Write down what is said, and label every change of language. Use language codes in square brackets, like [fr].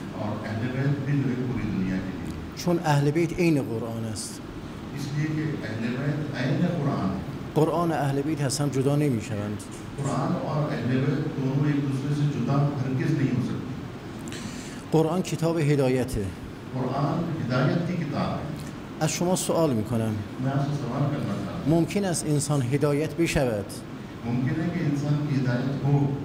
[ur] اور اهل بیت بھی نور پوری دنیا کے لیے. [fa] چون اهل بیت عین قرآن است. [ur] اس لیے کہ اهل بیت عین قرآن ہے. [fa] قرآن اهل بیت هم جدا نمی شوند. [ur] قرآن اور اهل بیت دونوں ایک دوسرے سے جدا ہرگز نہیں ہو سکتے. قرآن کتاب ہدایت ہے. قرآن ہدایت کی کتاب ہے. [fa] از شما سوال می کنم. [ur] میں آپ سے سوال کرنا چاہتا ہوں. [fa] ممکن است انسان ہدایت بشود. [ur] ممکن ہے کہ انسان کی ہدایت ہو.